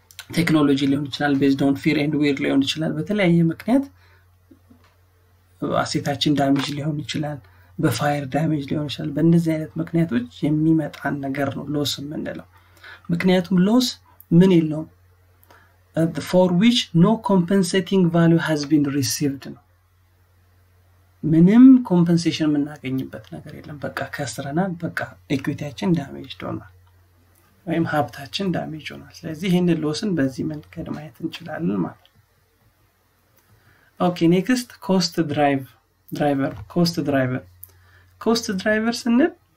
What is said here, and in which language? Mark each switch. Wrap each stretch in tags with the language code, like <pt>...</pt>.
<am>ቴክኖሎጂ ሊሆን ይችላል፣ ቤዝድ ኦን ፊር ኤንድ ዌር ሊሆን ይችላል፣ በተለያየ ምክንያት አሴታችን ዳሜጅ ሊሆን ይችላል፣ በፋየር ዳሜጅ ሊሆን ይችላል። በእንደዚህ አይነት ምክንያቶች የሚመጣን ነገር ነው ሎስ የምንለው። ምክንያቱም ሎስ ምን ይለው?</am> <en>For which no compensating value has been received.</en> <am>ምንም ኮምፐንሴሽን የምናገኝበት ነገር የለም። በቃ ከስረናል፣ በቃ ኢኩዊቲያችን ዳሜጅ ሆኗል ወይም ሀብታችን ዳሜጅ ሆኗል። ስለዚህ ይህንን ሎስን በዚህ መንገድ ማየት እንችላለን ማለት ነው። ኦኬ ኔክስት ኮስት ድራይቭ ድራይቨር ኮስት ድራይቨር ኮስት ድራይቨር ስንል</am>